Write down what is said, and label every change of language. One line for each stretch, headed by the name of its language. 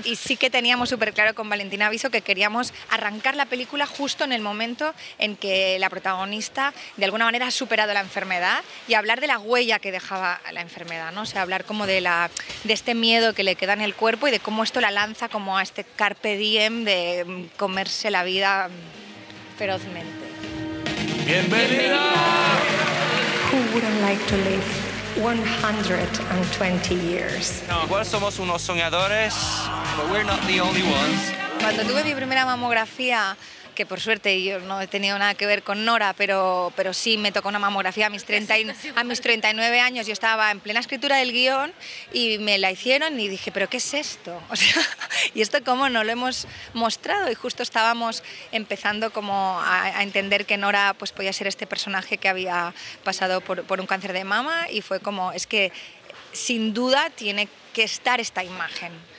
Spanish: Y sí que teníamos súper claro con Valentina Aviso que queríamos arrancar la película justo en el momento en que la protagonista de alguna manera ha superado la enfermedad y hablar de la huella que dejaba la enfermedad, ¿no? O sea, hablar como de este miedo que le queda en el cuerpo y de cómo esto la lanza como a este carpe diem de comerse la vida ferozmente. Bienvenida.
English: Who wouldn't like to live 120 years?
Spanish: No, igual somos unos soñadores,
English: but we're not the only ones.
Spanish: Cuando tuve mi primera mamografía, que por suerte yo no he tenido nada que ver con Nora, pero sí me tocó una mamografía a mis 39 años, yo estaba en plena escritura del guión y me la hicieron y dije, ¿pero qué es esto? O sea, ¿y esto cómo no lo hemos mostrado? Y justo estábamos empezando como a entender que Nora pues podía ser este personaje que había pasado por un cáncer de mama y fue como, es que sin duda tiene que estar esta imagen.